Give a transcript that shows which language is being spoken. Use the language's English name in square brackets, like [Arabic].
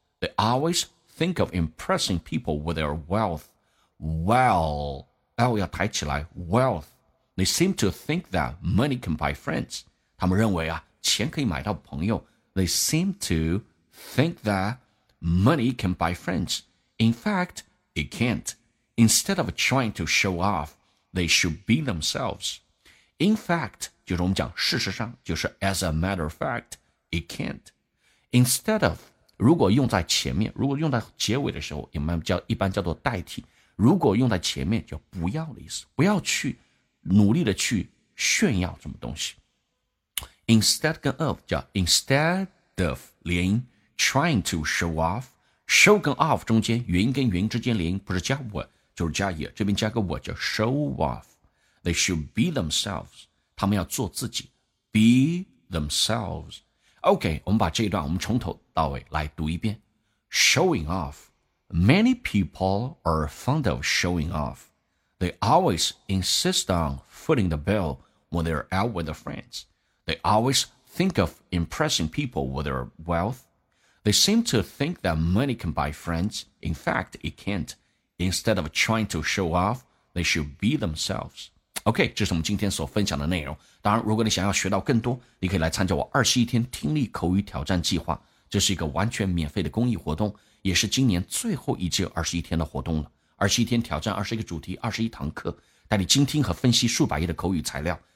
[English] They always think of impressing people with their wealth. Well, L [Chinese] 要抬起来 [English] wealth. They seem to think that money can buy friends. [Chinese] 他们认为啊钱可以买到朋友。 [English] They seem to think that money can buy friends. In fact, it can't. Instead of trying to show off, they should be themselves. In fact, [Chinese] 就是我们讲事实上，就是 [English] as a matter of fact, it can't. Instead of, [Chinese] 如果用在前面，如果用在结尾的时候，一般叫做代替。如果用在前面，就不要的意思，不要去努力的去炫耀什么东西。 [English] Instead [Chinese] 跟 [English] of [Chinese] 叫 [English] instead of [Chinese] 连音 [English] trying to show off,show [Chinese] 跟 [English] off [Chinese] 中间元音跟元音之间连音不是加我就是加也，这边加个我叫 [English] show off. They should be themselves. [Chinese] 他们要做自己 [English] be themselves. [Chinese] OK, 我们把这一段我们从头到尾来读一遍。 [English] Showing off. Many people are fond of showing off. They always insist on footing the bill when they're out with their friends. They always think of impressing people with their wealthThey seem to think that money can buy friends. In fact, it can't. Instead of trying to show off, they should be themselves. [Chinese] OK, 这是我们今天所分享的内容。当然，如果你想要学到更多，你可以来参加我21天听力口语挑战计划。这是一个完全免费的公益活动，也是今年最后一届21天的活动了。 21天挑战21个主题21堂课，带你精听和分析数百页的口语材料。